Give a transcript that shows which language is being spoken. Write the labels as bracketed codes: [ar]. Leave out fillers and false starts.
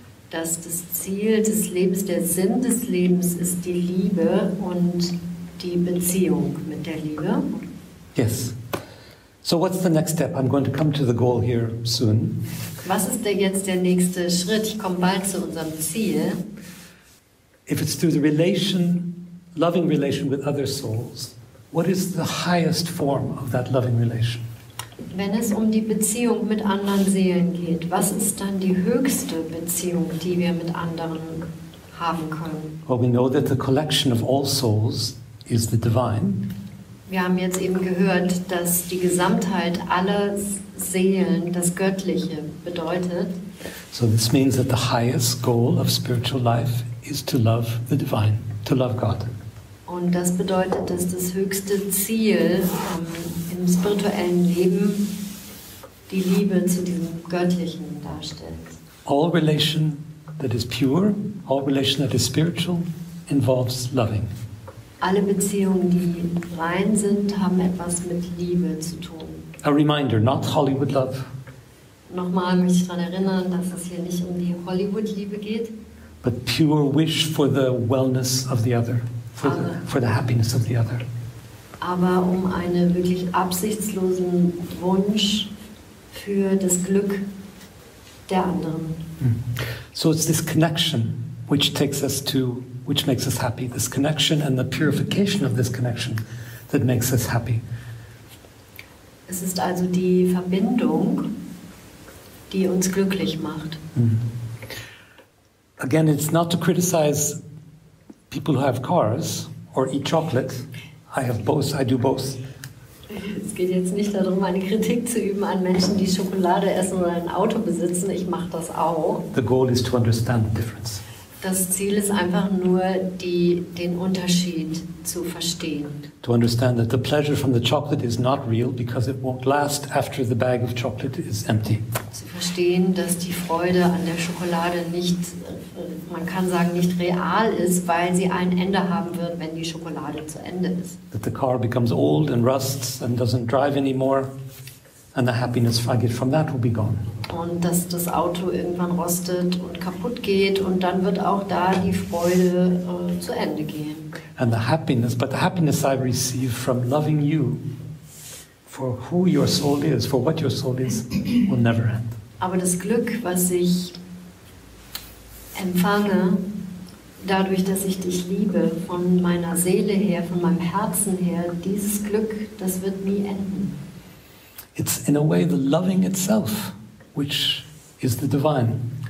[de] Dass das Ziel des Lebens, der Sinn des Lebens ist die Liebe und die Beziehung mit der Liebe. [en] Yes. So what's the next step? I'm going to come to the goal here soon. [de] Was ist denn jetzt der nächste Schritt? Ich komme bald zu unserem Ziel. [en] If it's through the relation, loving relation with other souls, what is the highest form of that loving relation? [de] Wenn es um die Beziehung mit anderen Seelen geht, was ist dann die höchste Beziehung, die wir mit anderen haben können? [en] Well, we know that the collection of all souls is the divine. [de] Wir haben jetzt eben gehört, dass die Gesamtheit aller Seelen das Göttliche bedeutet. [en] So this means that the highest goal of spiritual life is to love the divine, to love God. [de] Und das bedeutet, dass das höchste Ziel im spirituellen Leben die Liebe zu diesem Göttlichen darstellt. [en] All relation that is pure, all relation that is spiritual, involves loving. [de] Alle Beziehungen, die rein sind, haben etwas mit Liebe zu tun. [en] A reminder, not Hollywood love. [de] Nochmal möchte ich daran erinnern, dass es hier nicht um die Hollywood-Liebe geht. [en] But pure wish for the wellness of the other. For the happiness of the other. [de] Aber eine wirklich absichtslosen Wunsch für das Glück der anderen. [en] So it's this connection which takes us to, which makes us happy. This connection and the purification of this connection that makes us happy. [de] Es ist also die Verbindung, die uns glücklich macht. [en] Again, it's not to criticize people who have cars or eat chocolate. I have both, I do both. [de] Es geht jetzt nicht darum, eine Kritik zu üben an Menschen, die Schokolade essen oder ein Auto besitzen. Ich mache das auch. [en] The goal is to understand the difference. [de] Das Ziel ist einfach nur, den Unterschied zu verstehen. [en] To understand that the pleasure from the chocolate is not real because it won't last after the bag of chocolate is empty. [de] Zu verstehen, dass die Freude an der Schokolade nicht, man kann sagen, nicht real ist, weil sie ein Ende haben wird, wenn die Schokolade zu Ende ist. [en] That the car becomes old and rusts and doesn't drive anymore and the happiness I get from that will be gone. [de] Und dass das Auto irgendwann rostet und kaputt geht und dann wird auch da die Freude zu Ende gehen. [en] And the happiness, but the happiness I receive from loving you for who your soul is, for what your soul is, will never end. [de] Aber das Glück, was ich empfange, dadurch, dass ich dich liebe, von meiner Seele her, von meinem Herzen her, dieses Glück, das wird nie enden. [en] It's in a way the loving itself, which is the divine.